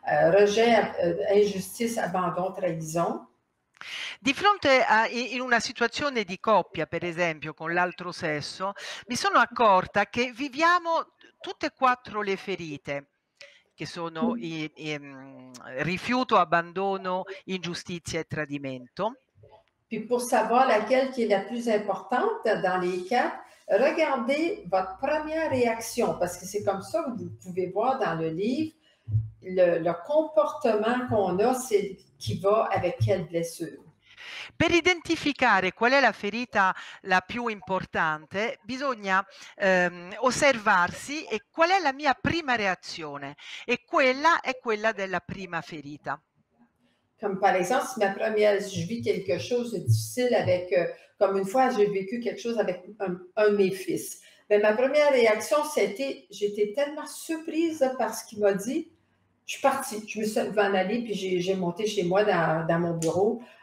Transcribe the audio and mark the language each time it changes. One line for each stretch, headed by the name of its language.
French: Rejet, injustice, abandon, trahison.
Italian: Di fronte a in una situazione di coppia, per esempio, con l'altro sesso, mi sono accorta che viviamo tutte e quattro le ferite, che sono rifiuto, abbandono, ingiustizia e tradimento.
French: Puis pour savoir laquelle qui est la plus importante dans les quatre, regardez votre première réaction, parce que c'est comme ça que vous pouvez voir dans le livre le comportement qu'on a, c'est qui va avec quelle blessure.
Italian: Per identificare qual è la ferita la più importante, bisogna osservarsi e qual è la mia prima reazione. E quella è quella della prima ferita.
French: Comme par exemple, si je vis quelque chose de difficile avec, comme une fois, j'ai vécu quelque chose avec un de mes fils. Mais ma première réaction, c'était, j'étais tellement surprise par ce qu'il m'a dit, je suis partie, je me suis en allée, puis j'ai monté chez moi dans mon bureau.